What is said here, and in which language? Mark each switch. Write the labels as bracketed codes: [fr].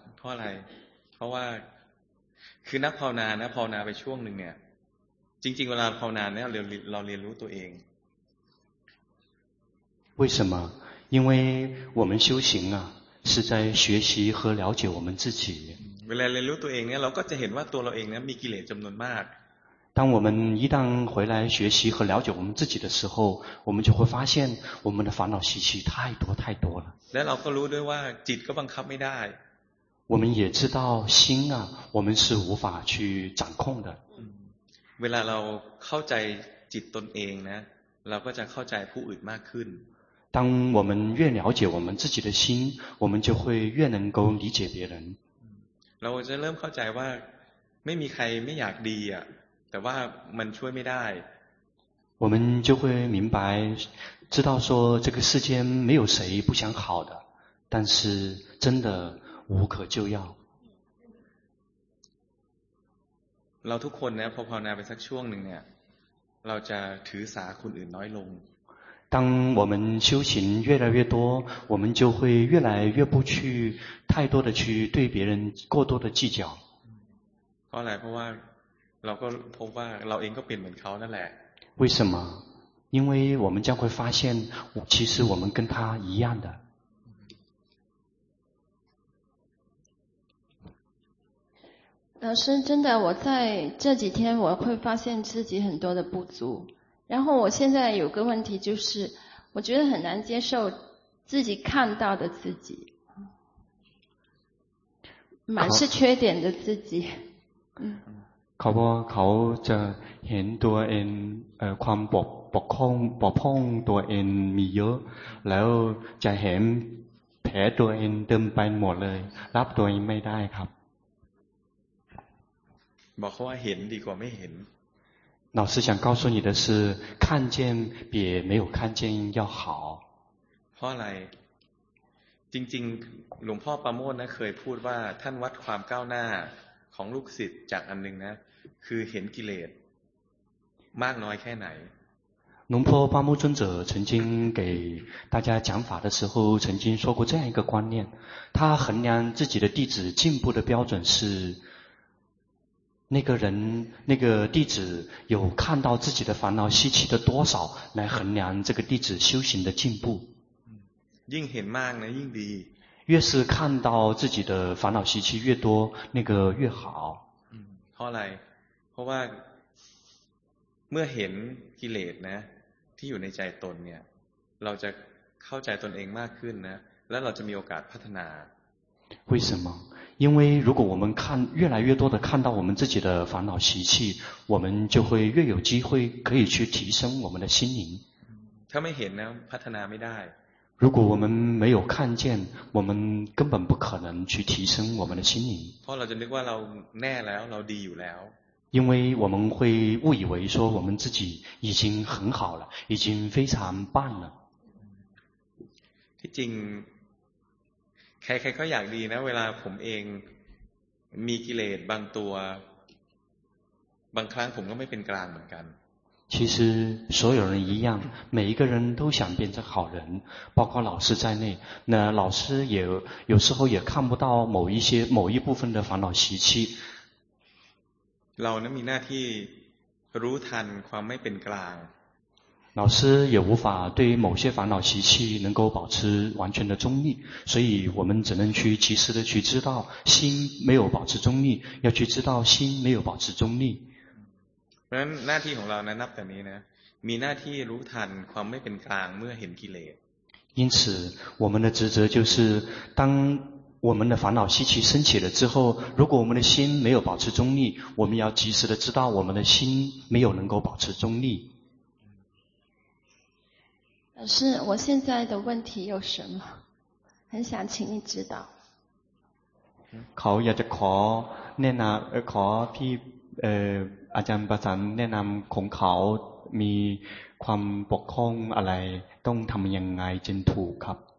[th] เพราะอะไรเพราะว่าคือนักภาวนานะภาวนาไปช่วงนึงเนี่ยจริงๆเวลาภาวนาเนี่ยเราเรียนรู้ตัวเอง [zh] 为什么因为我们修行啊是在学习和了解我们自己 [th] เวลาเรียนรู้ตัวเองเนี่ยเราก็จะเห็นว่าตัวเราเองเนี่ยมีกิเลสจำนวนมาก [zh] 当我们一旦回来学习和了解我们自己的时候我们就会发现我们的烦恼习气太多太多了 [th] และเราก็รู้ด้วยว่าจิตก็บังคับไม่ได้ [zh] 我们也知道心啊我们是无法去掌控的 [th] เวลาเราเข้าใจจิตตนเองนะเราก็จะเข้าใจผู้อื่นมากขึ้น [zh] 当我们越了解我们自己的心我们就会越能够理解别人 [th] เราจะเริ่มเข้าใจว่าไม่มีใครไม่อยากดีอ่ะแต่ว่ามันช่วยไม่ได้ [zh] 我们就会明白知道说这个世间没有谁不想好的但是真的无可救药 [th] เราทุกคนนะพอภาวนาไปสักช่วงนึงเนี่ยเราจะถือสาคนอื่นน้อยลง [zh] 当我们修行越来越多我们就会越来越不去太多的去对别人过多的计较 [th] เพราะอะไรเพราะว่าเราก็พบว่าเราเองก็เป็นเหมือนเขานั่นแหละ [zh] 为什么因为我们将会发现其实我们跟他一样的老师真的我在这几天我会发现自己很多的不足然后我现在有个问题就是我觉得很难接受自己看到的自己，满是缺点的自己。 [th] เขาบอกเขาจะเห็นตัวเองความปกครองปกป้องตัวเองมีเยอะแล้วจะเห็นแผลตัวเองเต็มไปหมดเลยรับตัวเองไม่ได้ครับ บอกเขาว่าเห็นดีกว่าไม่เห็น [zh] 老师想告诉你的是看见比没有看见要好 [th] เพราะอะไรจริงๆหลวงพ่อประโมทนะเคยพูดว่าท่านวัดความก้าวหน้าของลูกศิษย์จากอันหนึ่งนะคือเห็นกิเลสมากน้อยแค่ไหน [zh] หลวงพ่อพระมุ่งชน者曾经给大家讲法的时候曾经说过这样一个观念他衡量自己的弟子进步的标准是那个人那个弟子有看到自己的烦恼习气的多少来衡量这个弟子修行的进步 [th] ยิ่งเห็นมากนะยิ่งดี [zh] 越是看到自己的烦恼习气越多那个越好 [th] เพราะอะไรเพราะว่าเมื่อเห็นกิเลสนะที่อยู่ในใจตนเนี่ยเราจะเข้าใจตนเองมากขึ้นนะแล้วเราจะมีโอกาสพัฒนา [zh] 为什么因为如果我们看越来越多的看到我们自己的烦恼习气我们就会越有机会可以去提升我们的心灵 [th] ถ้าไม่เห็นนะพัฒนาไม่ได้ [zh] 如果我们没有看见我们根本不可能去提升我们的心灵 [th] เพราะเราจะนึกว่าเราแน่แล้วเราดีอยู่แล้ว [zh] 因为我们会误以为说我们自己已经很好了已经非常棒了 [th] ที่จริงใครๆก็อยากดีนะเวลาผมเองมีกิเลสบางตัวบางครั้งผมก็ไม่เป็นกลางเหมือนกัน [zh] 其实所有人一样每一个人都想变成好人包括老师在内那老师也有时候也看不到某一些某一部分的烦恼习气 [th] เราเนี่ยมีหน้าที่รู้ทันความไม่เป็นกลาง [zh] 老师也无法对于某些烦恼习气能够保持完全的中立所以我们只能去及时的去知道心没有保持中立要去知道心没有保持中立 [th] เพราะฉะนั้นหน้าที่ของเรานะนับแต่นี้นะมีหน้าที่รู้ทันความไม่เป็นกลางเมื่อเห็นกิเลส [zh] 因此我们的职责就是当我们的烦恼习气升起了之后如果我们的心没有保持中立我们要及时的知道我们的心没有能够保持中立老师我现在的问题有什么很想请你指导 [th] เขาอยากจะขอแนะนำขอพี่อาจารย์ประสันแนะนำของเขามีความปกครองอะไรต้องทำยังไงจึงถูกครับ